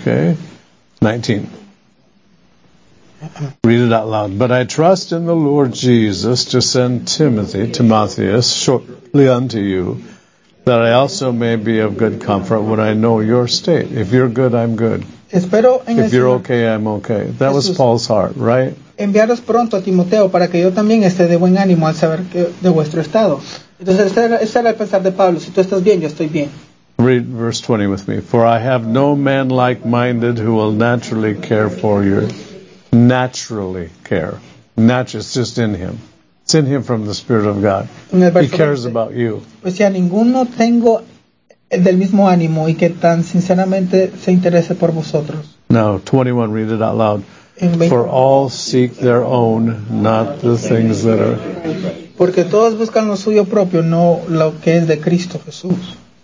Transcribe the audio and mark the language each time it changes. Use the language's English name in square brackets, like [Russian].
[English] Okay. 19. Read it out loud. But I trust in the Lord Jesus to send Timotheus shortly unto you, that I also may be of good comfort when I know your state. If you're good, I'm good. [Spanish] Espero en [English] if you're okay, I'm okay. That [Spanish] Jesús, [English] was Paul's heart, right? [Spanish] Enviaros pronto a Timoteo para que yo también esté de buen ánimo al saber que de vuestro estado. Entonces, ese era el pensar de Pablo. Si tú estás bien, yo estoy bien. [English] Read verse 20 with me. For I have no man like-minded who will naturally care for you. Naturally care. It's just in him. It's in him from the Spirit of God. He cares about you. [Spanish] Pues ya ninguno tengo del mismo ánimo y que tan sinceramente se interese por vosotros. [English] No, 21, read it out loud. For all seek their own, not the things that are... [Spanish] Porque todos buscan lo suyo propio, no lo que es de Cristo Jesús.